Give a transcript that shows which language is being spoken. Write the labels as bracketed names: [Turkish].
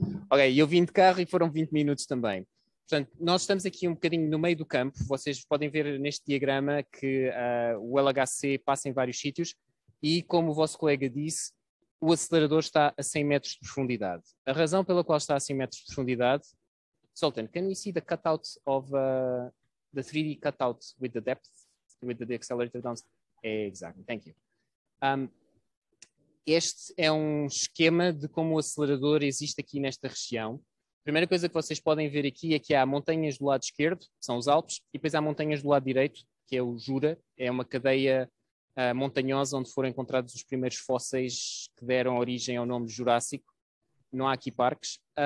[Portuguese] Ok, eu vim de carro e foram 20 minutos também. Portanto, nós estamos aqui um bocadinho no meio do campo. Vocês podem ver neste diagrama que o LHC passa em vários sítios e, como o vosso colega disse, o acelerador está a 100 metros de profundidade. A razão pela qual está a 100 metros de profundidade... [English] Zoltan, can you see the cutout of... The 3D cutout with the depth, with the accelerator down. Exactly, thank you. [Portuguese] Este é um esquema de como o acelerador existe aqui nesta região. A primeira coisa que vocês podem ver aqui é que há montanhas do lado esquerdo, que são os Alpes, e depois há montanhas do lado direito, que é o Jura. É uma cadeia montanhosa onde foram encontrados os primeiros fósseis que deram origem ao nome Jurássico. Não há aqui parques.